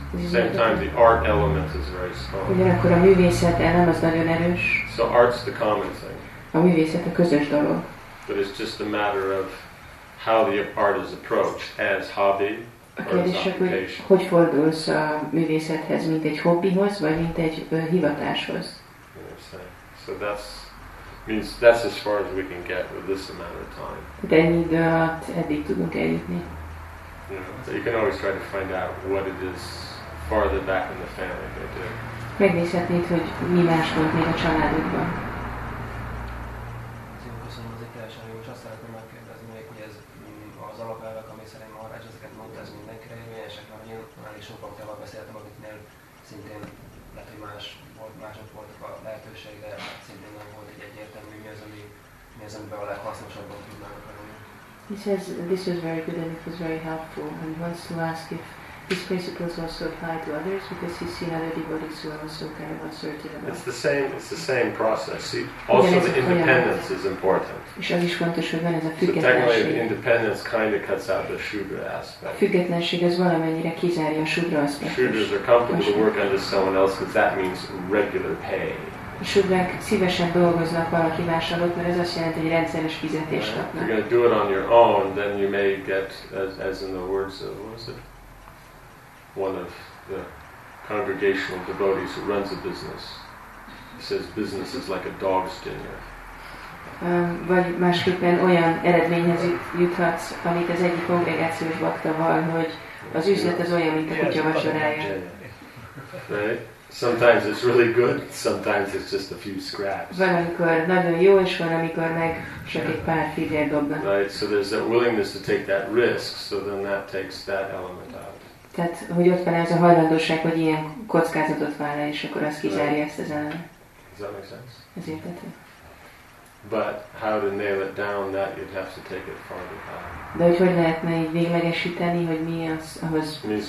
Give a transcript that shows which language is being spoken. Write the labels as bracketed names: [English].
[English] Same time, the art element is very strong. [Hungarian] Ugyanakkor a művészet elem az nagyon erős. [English] So art's the common thing. [Hungarian] A művészet a közös dolog. [English] But it's just a matter of how the art is approached as hobby or occupation. [Hungarian] Hogy fordulsz a művészethez, mint egy hobbihoz, vagy mint egy hivatáshoz? [English] So that's as far as we can get with this amount of time. [Hungarian] De ennyi idő alatt eddig tudunk eljutni. [English] So you can always try to find out what it is farther back in the family they do. [Hungarian] Megnézhetnéd, hogy mi más volt még a családodban. Köszönöm, az egy teljesen jó, és azt szeretném megkérdezni, hogy ez az alapelvek, ami szerint Maharaj ezeket mondta, ez mindenkire érvényesek, mert én már is sok aktával beszéltem, akiknél szintén lehet, hogy más volt, mások voltak a lehetőség, de szintén nem volt egy egyértelmű, mi az, amiben a leghasznosabban tudnának. [English] He says this was very good and it was very helpful, and wants to ask if these principles also apply to others, because he's seen other devotees who are also kind of uncertain about. It's the same process. See, also the independence is important. [Hungarian] És az is fontos, hogy van ez a függetlenség. [English] So technically, independence kind of cuts out the shudra aspect. [Hungarian] A függetlenség az valamennyire kizárja a shudra aspektust. [English] Shudras are comfortable to work under someone else, because that means regular pay. [Hungarian] A shudrák szívesen dolgoznak valaki más alatt, mert ez azt jelenti, hogy rendszeres fizetést kapnak. [English] You're going to do it on your own, then you may get, as in the words of, what was it? One of the congregational devotees who runs a business. He says, business is like a dog's dinner. [Hungarian] Vagy másképpen olyan eredményhez juthatsz, amit az egyik kongregációs bakta vall, hogy az üzlet az olyan, mint a kutya vacsorája. [English] Sometimes it's really good, sometimes it's just a few scraps. [Hungarian] Valamikor nagyon jó, és valamikor meg csak egy pár fillér dobna. [English] Right, so there's that willingness to take that risk, so then that takes that element out. [Hungarian] Tehát, hogy ott van ez a hajlandóság, hogy ilyen kockázatot vállal, és akkor az kizárja ezt az elemet. [English] Does that make sense? [Hungarian] Ez érthető. [English] But how to nail it down, that you'd have to take it farther out. [Hungarian] De hogy lehetne így véglegesíteni, hogy mi az, ahhoz